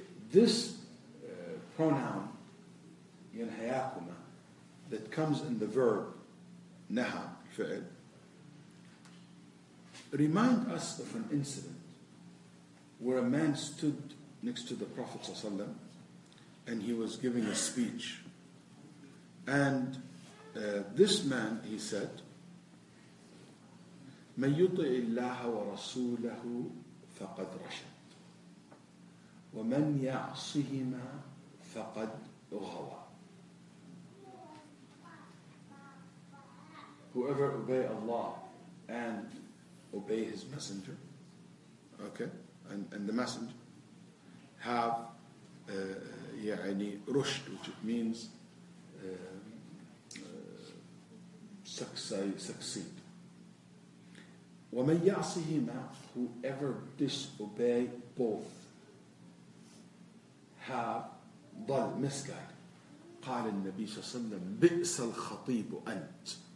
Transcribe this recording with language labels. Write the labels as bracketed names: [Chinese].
[English] This pronoun يَنْهَاكُمَا that comes in the verb نَهَا فعل, remind us of an incident where a man stood next to the Prophet ﷺ and he was giving a speech. And this man, he said, [Arabic] مَنْ يُطِعِ اللَّهَ وَرَسُولَهُ فَقَدْ رَشَدْ وَمَنْ يَعْصِهِمَا فَقَدْ غَوَى. [English] Whoever obey Allah and obey His Messenger, okay, and the Messenger, have يعني رشد, which it means succeed. [Arabic] وَمَنْ يَعْصِهِمَا, [English] whoever disobey both, have ضل, misguided. [Arabic] قال النبي صلى الله عليه وسلم بئس الخطيب أنت.